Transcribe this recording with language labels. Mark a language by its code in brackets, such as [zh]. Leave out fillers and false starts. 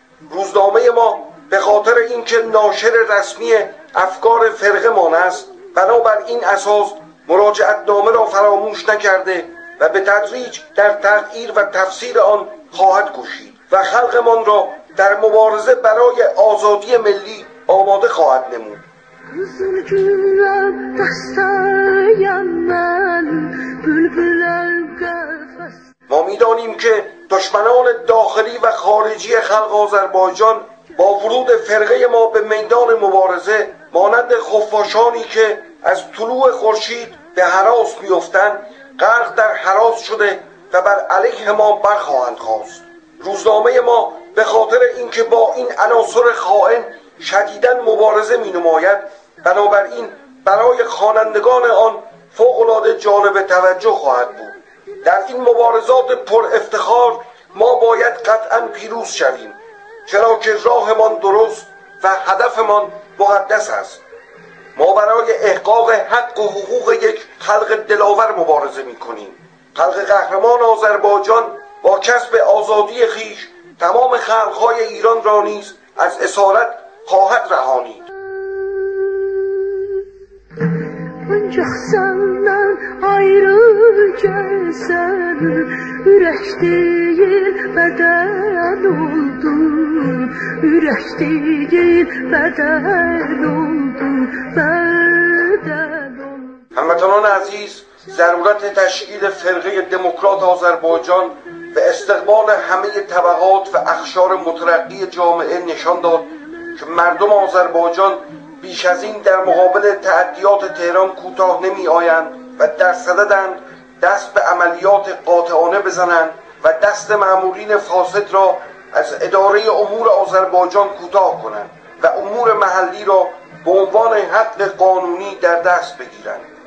[fa] روزنامه ما به خاطر اینکه ناشر رسمی افکار فرقه مان است، بنابر این اساس مراجعت نامه را فراموش نکرده و به تدریج در تغییر و تفسیر آن خواهد کوشید و خلق مان را در مبارزه برای آزادی ملی آماده خواهد نمود. [az] Kızıl güller dasta yanan, bülbüller kafasında. [fa] ما میدانیم که دشمنان داخلی و خارجی خلق آذربایجان با ورود فرقه ما به میدان مبارزه مانند خفاشانی که از طلوع خورشید به هراس میافتند غرق در هراس شده و بر علیه ما برخواهند خواست. روزنامه ما به خاطر اینکه با این عناصر خائن شدیداً مبارزه مینماید، بنابراین برای خوانندگان آن فوق‌العاده جالب توجه خواهد بود. در این مبارزات پر افتخار ما باید قطعاً پیروز شویم، چرا که راهمان درست و هدفمان مقدس است. ما برای احقاق حق و حقوق یک خلق دلاور مبارزه می‌کنیم. خلق قهرمان آذربایجان با کسب آزادی خیش تمام خلق‌های ایران را نیز از اسارت خواهد رهانید. [az] Ancak senden ayrı gelsen, yürek değil beden oldum, yürek değil beden oldum, beden oldum. [fa] Hamdanan aziz, ضرورت تشکیل فرقه دموکرات آذربایجان به استقبال همه طبقات و اخشار مترقی جامعه نشان داد که مردم آذربایجان بیش از این در مقابل تعدیات تهران کوتاه نمی آیند و در صددند دست به عملیات قاطعانه بزنند و دست مأمورین فاسد را از اداره امور آذربایجان کوتاه کنند و امور محلی را به عنوان حق قانونی در دست بگیرند.